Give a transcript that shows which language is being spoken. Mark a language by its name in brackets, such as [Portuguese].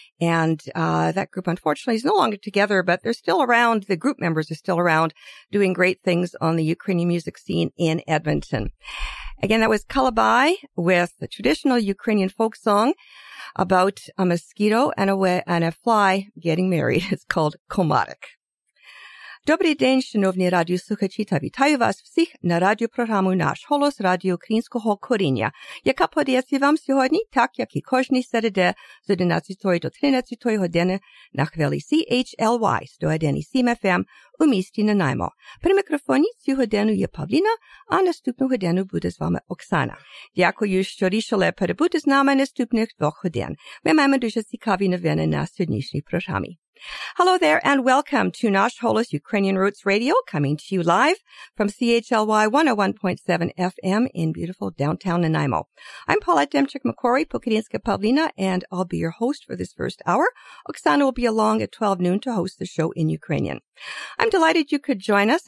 [English] And that group, unfortunately, is no longer together, but they're still around. The group members are still around doing great things on the Ukrainian music scene in Edmonton. Again, that was Kalabai with the traditional Ukrainian folk song about a mosquito and a fly getting married. It's called Komarik. [Ukrainian] Добрий день, шановні радіослухачі, та вітаю вас всіх на радіопрограму «Наш голос» Радіо Українського коріння, яка подається вам сьогодні, так як і кожні середи з 11 до 13 години на хвилі CHLY 101.7 FM у місті Нанаймо. При мікрофоні цю годину є Павліна, а наступну годину буде з вами Оксана. Дякую, що рішили перебути з нами наступних двох годин. Ми маємо дуже цікаві новини на сьогоднішній програмі. [English] Hello there, and welcome to Nash Holos Ukrainian Roots Radio, coming to you live from CHLY 101.7 FM in beautiful downtown Nanaimo. I'm Paulette Demchuk-Macquarie, Pukadinska Pavlina, and I'll be your host for this first hour. Oksana will be along at 12 noon to host the show in Ukrainian. I'm delighted you could join us.